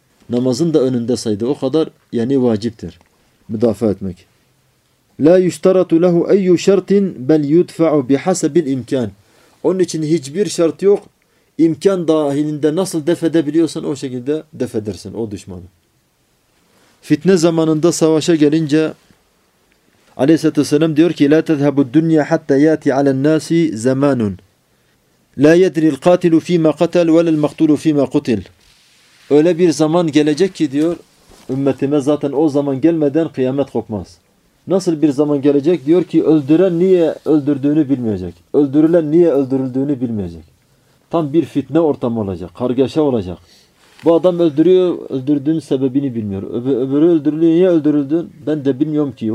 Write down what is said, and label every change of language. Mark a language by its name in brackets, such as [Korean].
[Turkish] Namazın da önünde saydı o kadar yani vaciptir müdafaa etmek. [Arabic] لَا يُشْتَرَتُ لَهُ اَيُّ شَرْتٍ بَلْ يُدْفَعُ بِحَسَبِ الْاِمْكَانِ. [Turkish] Onun için hiçbir şart yok. İmkan dahilinde nasıl def edebiliyorsan o şekilde def edersin o düşmanı. Fitne zamanında savaşa gelince Aleyhisselatü Vesselam diyor ki [Arabic] لَا تَذْهَبُ الدُّنْيَا حَتَّى يَاتِ عَلَى النَّاسِ زَمَانٌ لَا يَدْرِ الْقَاتِلُ فِي مَا قَتَلْ وَلَا الْمَقْتُولُ فِي مَا قُتِلْ. [Turkish] Öyle bir zaman gelecek ki diyor ümmetime zaten o zaman gelmeden kıyamet kopmaz. Nasıl bir zaman gelecek? Diyor ki öldüren niye öldürdüğünü bilmeyecek. Öldürülen niye öldürüldüğünü bilmeyecek. Tam bir fitne ortamı olacak. Kargaşa olacak. Bu adam öldürüyor, öldürdüğün sebebini bilmiyor. Öbürü öldürülüyor, niye öldürüldün? Ben de bilmiyorum ki.